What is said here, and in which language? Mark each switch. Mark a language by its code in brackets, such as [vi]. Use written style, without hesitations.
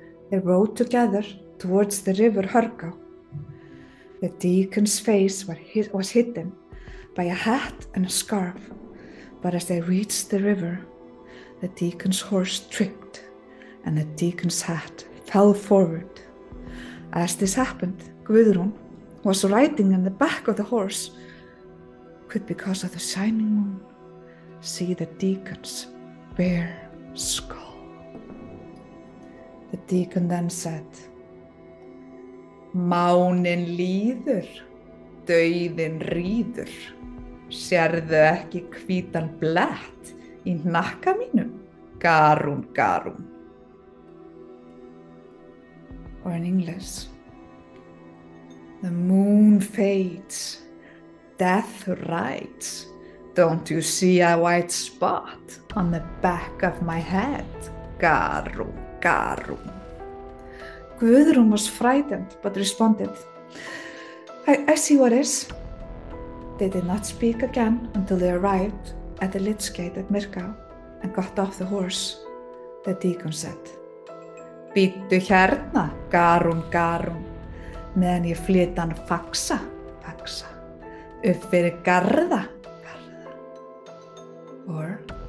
[en] They rode together towards the river Hörgá. The deacon's face was hidden by a hat and a scarf, but as they reached the river, the deacon's horse tripped and the deacon's hat fell forward. As this happened, Guðrún, who was riding on the back of the horse, could, because of the shining moon, see the deacon's bare skull. The deacon then said, [is] Máninn líður, dauðinn ríður. Sérðu ekki hvítan blett í hnakka mínum, garún, garún. [en] Or in English, the moon fades, death rides. Don't you see a white spot on the back of my head? Garún, garún. Guðrún was frightened, but responded, I see what is. They did not speak again until they arrived at the lych gate at Myrká and got off the horse. The deacon said, [is] Bíddu hérna, garún, garún, meðan ég flyt hann faxa, faxa, upp fyrir garða. [en] Or,